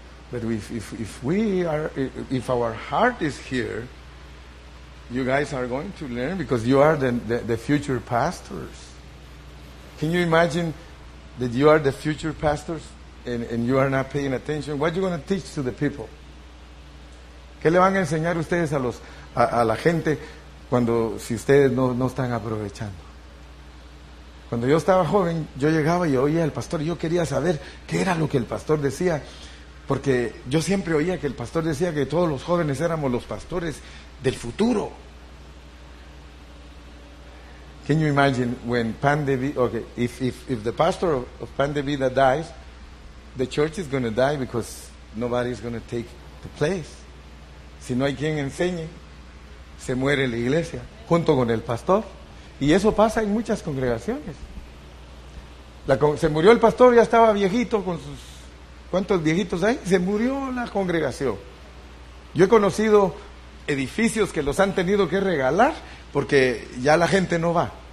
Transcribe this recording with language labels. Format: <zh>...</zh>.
<en>But if our heart is here, you guys are going to learn because you are the future pastors. Can you imagine that you are the future pastors? And you are not paying attention. What are you going to teach to the people?</en> <es>¿Qué le van a enseñar ustedes a la gente cuando si ustedes no están aprovechando? Cuando yo estaba joven, yo llegaba y oía al pastor. Yo quería saber qué era lo que el pastor decía, porque yo siempre oía que el pastor decía que todos los jóvenes éramos los pastores del futuro.</es> <en>Can you imagine when Pan de Vida, okay, if the pastor of Pan de Vida dies, the church is going to die because nobody is going to take the place.</en> <es>Si no hay quien enseñe, se muere la iglesia junto con el pastor. Y eso pasa en muchas congregaciones. Se murió el pastor, ya estaba viejito con sus... ¿Cuántos viejitos hay? Se murió la congregación. Yo he conocido edificios que los han tenido que regalar porque ya la gente no va.</es>